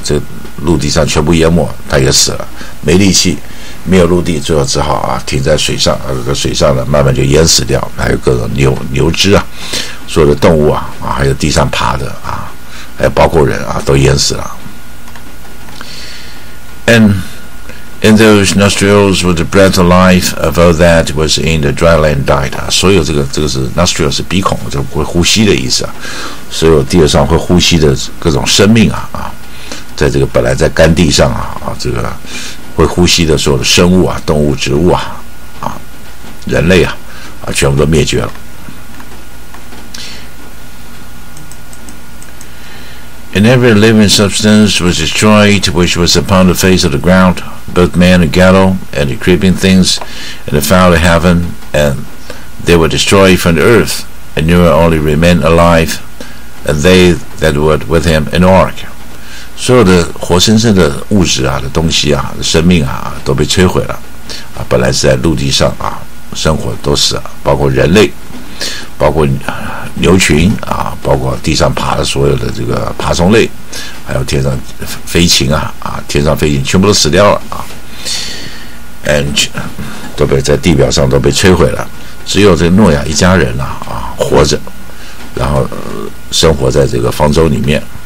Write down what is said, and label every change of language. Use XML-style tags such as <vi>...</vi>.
<zh>这陆地上全部淹没，他也死了，没力气，没有陆地，最后只好啊停在水上，水上呢慢慢就淹死掉。还有各种牛只啊，所有的动物啊啊，还有地上爬的啊，还有包括人啊，都淹死了。</zh> <en>And in those nostrils was the breath of life, of all that was in the dry land died.、</en> <zh>啊、所有这个是 nostrils 是鼻孔，就会呼吸的意思啊。所有地上会呼吸的各种生命啊。在这个本来在干地上啊，这个会呼吸的所有的生物啊，动物、植物啊，啊，人类啊，啊，全部都灭绝了。</zh> <en>And every living substance was destroyed which was upon the face of the ground, both man and cattle and the creeping things and the fowl of heaven, and they were destroyed from the earth, and Noah only remained alive, and they that were with him in the ark.</en> <zh>所有的活生生的物质啊的东西啊生命啊都被摧毁了啊，本来是在陆地上啊生活都死了，包括人类，包括牛群啊，包括地上爬的所有的这个爬虫类，还有天上飞禽啊天上飞禽全部都死掉了啊， and 都被在地表上都被摧毁了，只有这个诺亚一家人啊活着，然后生活在这个方舟里面。</zh>